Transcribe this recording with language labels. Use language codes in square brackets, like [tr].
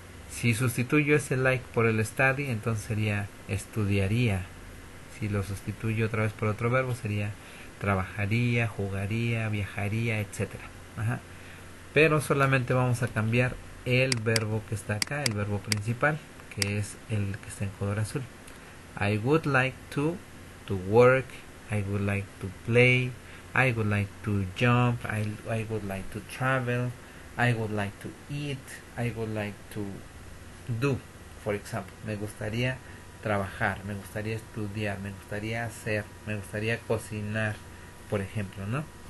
[es] Si sustituyo ese like por el study, entonces sería estudiaría. Si lo sustituyo otra vez por otro verbo, sería trabajaría, jugaría, viajaría, etc. Ajá. Pero solamente vamos a cambiar el verbo que está acá, el verbo principal, que es el que está en color azul. [en] I would like to work, I would like to play, I would like to jump, I would like to travel. I would like to eat, I would like to do, for example. [es] Me gustaría trabajar, me gustaría estudiar, me gustaría hacer, me gustaría cocinar, por ejemplo, ¿no?